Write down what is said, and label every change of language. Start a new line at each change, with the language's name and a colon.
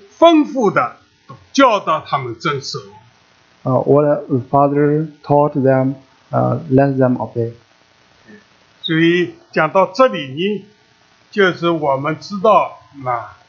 Chinese: 凡主所吩咐的，教导他们遵守。
English: What the Father taught them, let them obey.
Chinese: 所以讲到这里，就是我们知道嘛。